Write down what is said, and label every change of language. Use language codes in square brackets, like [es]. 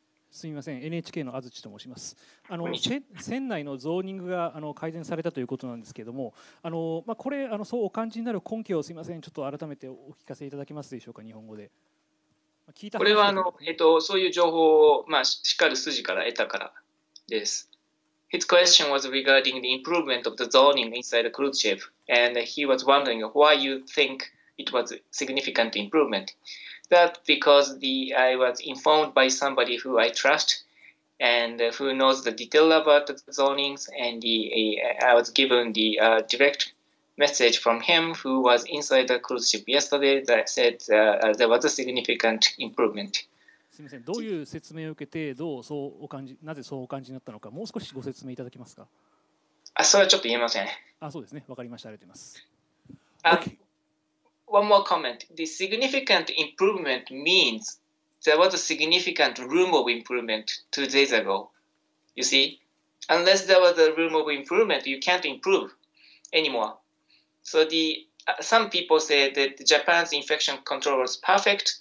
[ja] すみません、NHK の安土と申します。船内のゾーニングが改善されたということなんですけれども、これそうお感じになる根拠をすみません、ちょっと改めてお聞かせいただけますでしょうか、日本語で。聞いたこれはそういう情報を、しっかり筋から得たからです。 [en] His question was regarding the improvement of the zoning inside the cruise ship, and he was wondering why you think it was a significant improvement. That because I was informed by somebody who I trust and who knows the detail about the zonings and I was given the direct message from him who was inside the cruise ship yesterday that said there was a significant improvement. [ja] すみません。どういう説明を受けてどうそうお感じ、なぜそうお感じになったのか、もう少しご説明いただけますか？あ、それはちょっと言えません。あ、そうですね。わかりました。ありがとうございます。 [en] One more comment. The significant improvement means there was a significant room of improvement 2 days ago. You see? Unless there was a room of improvement, you can't improve anymore. So some people say that Japan's infection control was perfect.